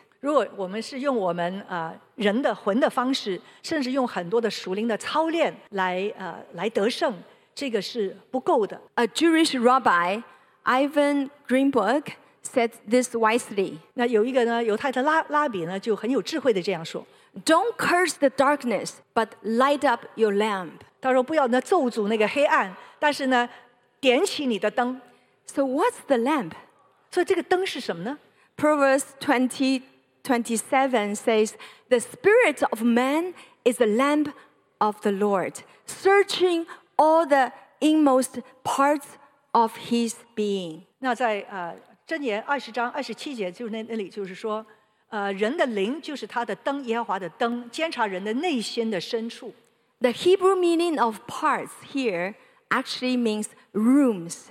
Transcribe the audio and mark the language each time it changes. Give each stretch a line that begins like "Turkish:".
Chinese: 如果我们是用我们人的魂的方式，甚至用很多的属灵的操练来得胜，这个是不够的。
English: A Jewish rabbi, Ivan Greenberg, said this wisely.
Chinese: 那有一个呢，犹太的拉比呢，就很有智慧的这样说。
English: Don't curse the darkness, but light up your lamp.
Chinese: 他说不要那咒诅那个黑暗，但是呢，点起你的灯。
English: So what's the lamp?
Chinese: 所以这个灯是什么呢？
English: Proverbs 20:27 says, "The spirit of man is the lamp of the Lord, searching all the inmost parts of his being."
Chinese: 那在箴言20:27就是那里就是说。人的灵就是他的灯，耶和华的灯，监察人的内心的深处。
English: The Hebrew meaning of parts here actually means rooms.